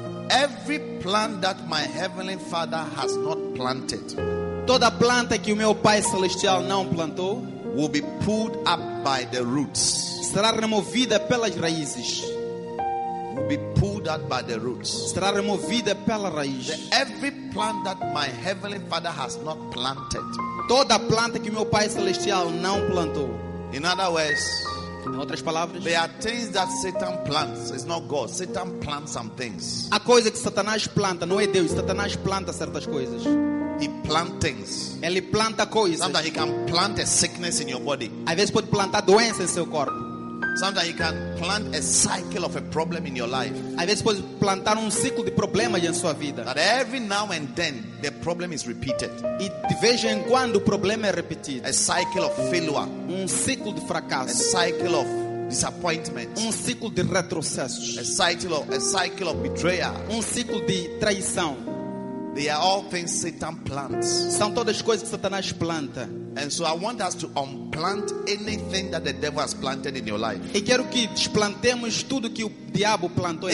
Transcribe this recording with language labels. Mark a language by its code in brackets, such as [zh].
[en] every plant that my heavenly Father has not planted, [pt] toda planta que o meu Pai celestial não plantou, [en] will be pulled up by the roots. [pt] Será removida pelas raízes. [en] Will be pulled out by the roots. [pt] Será removida pela raiz. [en] Every plant that my heavenly Father has not planted. [pt] Toda planta que meu Pai celestial não plantou. [en] In other words, [pt] em outras palavras, [en] there are things that Satan plants. It's not God. Satan plants some things. [pt] A coisa que Satanás planta não é Deus. Satanás planta certas coisas. [en] He plants things. [pt] Ele planta coisas. [en] Sometimes he can plant a sickness in your body. [pt] Às vezes pode plantar doença em seu corpo. [en] Sometimes he can plant a cycle of a problem in your life. [pt] Às vezes pode plantar ciclo de problemas em sua vida. [en] But every now and then the problem is repeated. [pt] E de vez em quando o problema é repetido. [en] A cycle of failure. [pt] Ciclo de fracasso. [en] A cycle of disappointment. [pt] Ciclo de retrocesso. [en] A cycle of betrayal. [pt] Ciclo de traição. [en] They are all things Satan plants. [pt] São todas coisas que Satanás planta. [en] And so I want us to unplant anything that the devil has planted in your life. [pt] E quero que desplantemos tudo que o diabo plantou em